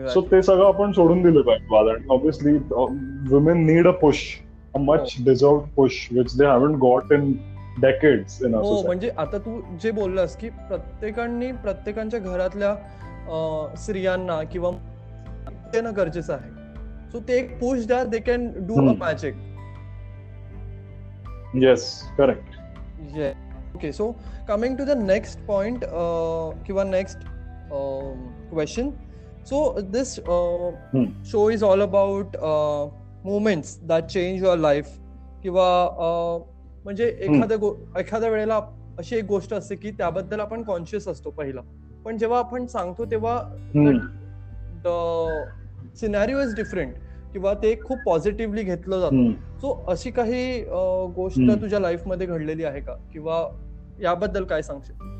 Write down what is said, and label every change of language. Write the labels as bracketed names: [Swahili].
[Marathi] So ते सगळं आपण सोडून दिलं पाहिजे. [English] Obviously women need a push, a much deserved push which they haven't got in decades. [Marathi] म्हणजे आता तू जे बोललास की प्रत्येकांनी प्रत्येकांच्या घरातल्या स्त्रियांना किंवा गरजेचं आहे, सो ते एक पुश द्या, [English] They can do a magic. Yes correct. Yes Okay, so coming to the next point, Kiva, next question. So this show is all about moments that change your life. [Marathi] Kiva, म्हणजे एखाद्या वेळेला अशी एक गोष्ट असते की त्याबद्दल आपण कॉन्शियस असतो पहिला, पण जेव्हा आपण सांगतो तेव्हा [English] the scenario is different [Marathi] किंवा ते खूप पॉझिटिव्हली घेतलं जातं. सो अशी काही गोष्ट तुझ्या लाईफ मध्ये घडलेली आहे का किंवा याबद्दल काय सांगशील?